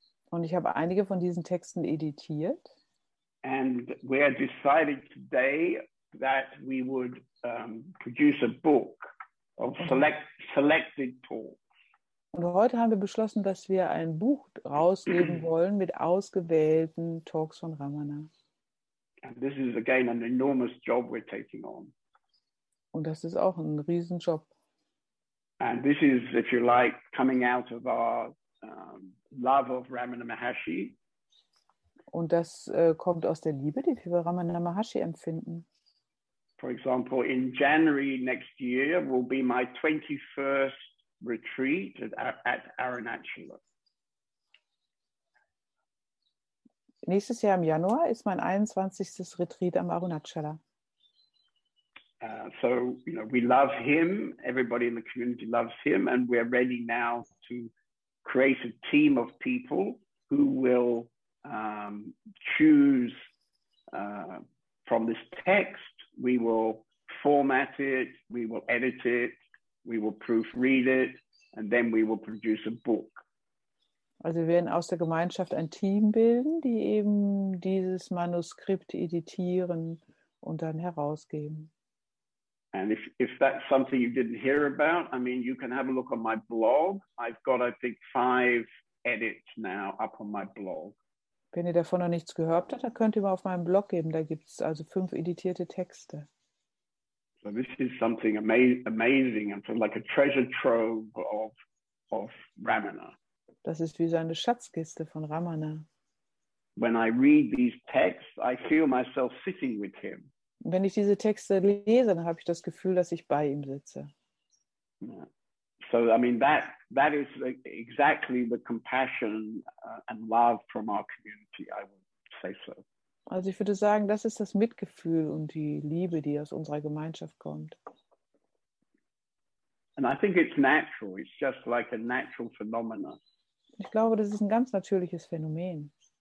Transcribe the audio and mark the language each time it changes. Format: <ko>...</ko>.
<de>Und ich habe einige von diesen Texten editiert.</de> <en>And we have decided today that we would produce a book of selected talks.</en> <de>Und heute haben wir beschlossen, dass wir ein Buch rausgeben wollen mit ausgewählten Talks von Ramana.</de> <en>And this is again an enormous job we're taking on.</en> <de>Und das ist auch ein Riesenjob.</de> <en>And this is, if you like, coming out of our love of Ramana Maharshi.</en> <de>Und das kommt aus der Liebe, die wir für Ramana Maharshi empfinden.</de> <en>for example, in January next year will be my 21st retreat at Arunachala.</en> <de>Nächstes Jahr im Januar ist mein 21. Retreat am Arunachala.</de> <en>So, you know, we love him, everybody in the community loves him, and we're ready now to create a team of people who will choose from this text. We will format it, we will edit it, we will proofread it, and then we will produce a book.</en> <de>Also wir werden aus der Gemeinschaft ein Team bilden, die eben dieses Manuskript editieren und dann herausgeben.</de> <en>And if that's something you didn't hear about, I mean, you can have a look on my blog. I've got, I think, 5 edits now up on my blog.</en> <de>Wenn ihr davon noch nichts gehört habt, dann könnt ihr mal auf meinem Blog geben. Da gibt es also 5 editierte Texte.</de> <en>So this is something amazing. It's like a treasure trove of Ramana.</en> <de>Das ist wie so eine Schatzkiste von Ramana.</de> <en>When I read these texts, I feel myself sitting with him.</en> <de>Wenn ich diese Texte lese, dann habe ich das Gefühl, dass ich bei ihm sitze.</de> <en>So, I mean, that is exactly the compassion and love from our community, I would say so.</en> <de>Also ich würde sagen, das ist das Mitgefühl und die Liebe, die aus unserer Gemeinschaft kommt.</de> <en>And I think it's natural. It's just like a natural phenomenon.</en> <de>Ich glaube, das ist ein ganz natürliches Phänomen.</de>